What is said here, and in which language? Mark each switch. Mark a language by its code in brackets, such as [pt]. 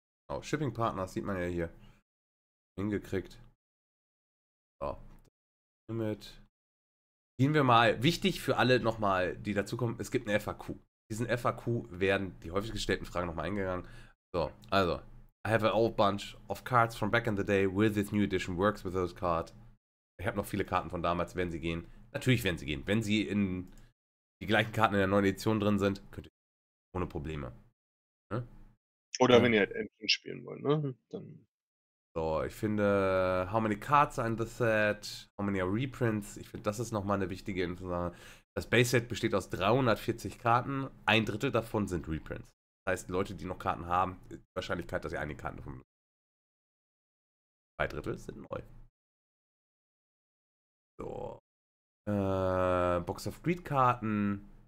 [de] Oh, Shipping Partner sieht man ja hier. Hingekriegt. So. Limit. Gehen wir mal, wichtig für alle nochmal, die dazukommen, es gibt eine FAQ. Diesen FAQ werden die häufig gestellten Fragen nochmal eingegangen. [en] So, also, I have an old bunch of cards from back in the day. Will this new edition works with those cards? [de] Ich habe noch viele Karten von damals, werden sie gehen? Natürlich werden sie gehen. Wenn sie in die gleichen Karten in der neuen Edition drin sind, könnt ihr ohne Probleme. Ne? Oder wenn ihr halt Endgame spielen wollt, ne? Dann. So, ich finde, [en] how many cards are in the set? How many are reprints? [de] Ich finde, das ist nochmal eine wichtige Info. Das Base-Set besteht aus 340 Karten. Ein Drittel davon sind Reprints. Das heißt, Leute, die noch Karten haben, ist die Wahrscheinlichkeit, dass sie einige Karten davon benutzen. Zwei Drittel sind neu. So. Box of Greed-Karten.